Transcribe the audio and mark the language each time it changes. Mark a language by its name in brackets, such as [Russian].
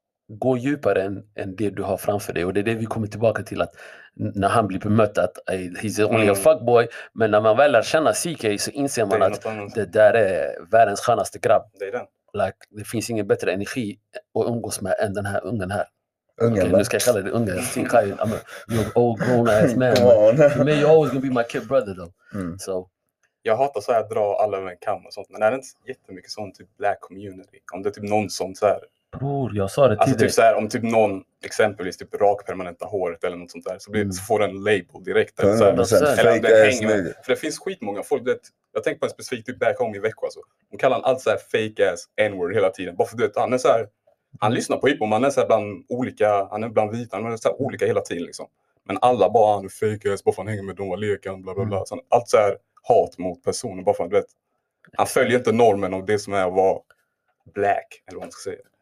[Swedish] Gå djupare än det du har framför dig. Och det är det vi kommer tillbaka till, att när han blir bemött att [English] he's only a fuckboy. [Swedish] Men när man väl lär känna CK, så inser man att det där är världens skönaste grabb. Det är den. Like, det finns ingen bättre energi att umgås med än den här ungen här. Okay, nu ska jag kalla det unga. [English] CK, I'm a you're old grown ass man. For me, you're always gonna be my kid brother though. Mm. So. [Swedish] Jag hatar så här att dra alla över en kam och sånt. Men är det inte jättemycket sånt typ black community? Om det är typ någon sån så här. Bror, jag sa det till alltså, typ så här, om typ någon exempelvis typ rak permanenta håret eller något sånt där, så får den label direkt eller så här, eller det hänger, för det finns skitmånga folk det, jag tänker på en specifik typ back home i Växjö, alltså de kallar han allt så här fake ass N-word hela tiden bara för att han är så här, han lyssnar på hiphop, han är så här bland olika, han är bland vita, han är så här olika hela tiden liksom, men alla bara han är fake ass bara för han hänger med dom och leker bla bla bla, sånt allt så här hat mot personer bara för att du vet han följer inte normen av det som är att vara black eller vad man ska säga.